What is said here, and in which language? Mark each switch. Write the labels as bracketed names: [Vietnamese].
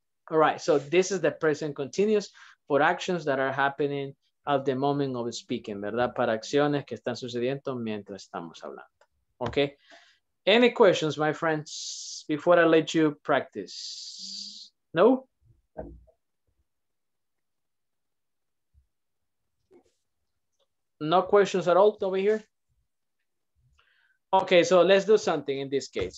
[English] All right, so this is the present continuous for actions that are happening at the moment of speaking, ¿verdad? [Spanish] Para acciones que están sucediendo mientras estamos hablando. [English] Okay. Any questions, my friends, before I let you practice? No? No questions at all over here? Okay, so let's do something in this case.